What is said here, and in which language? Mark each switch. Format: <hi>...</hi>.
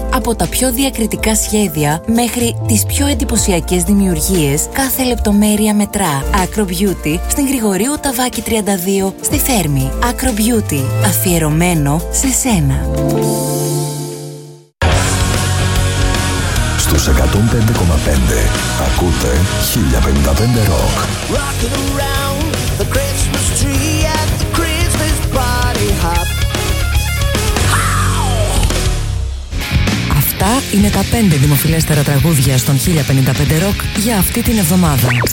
<el>Από τα πιο διακριτικά σχέδια μέχρι τις πιο εντυπωσιακές δημιουργίες, κάθε λεπτομέρεια μετρά. Acro Beauty, στην Γρηγορίου Ταβάκη 32, στη Θέρμη. Acro Beauty, αφιερωμένο σε σένα. Στους 105,5 ακούτε 1055 Rock.</el> <en>Rockin' around the Christmas tree at the Christmas party hop.</en> <el>Αυτά είναι τα 5 δημοφιλέστερα τραγούδια στον 1055 Rock για αυτή την εβδομάδα.</el>